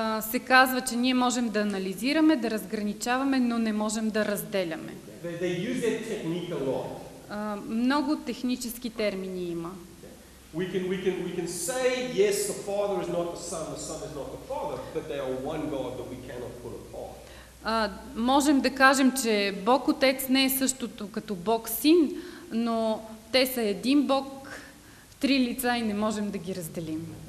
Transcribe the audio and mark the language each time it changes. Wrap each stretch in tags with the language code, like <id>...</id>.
<bg>Се казва, че ние можем да анализираме, да разграничаваме, но не можем да разделяме.</bg> <en>They use that technique a lot.</en> <bg>Много технически термини има.</bg> <en>Okay. We can say yes, the Father is not the Son is not the Father, but they are one God that we cannot put apart.</en> <bg>Можем да кажем, че Бог Отец не е същото като Бог Син, но те са един Бог, три лица и не можем да ги разделим.</bg>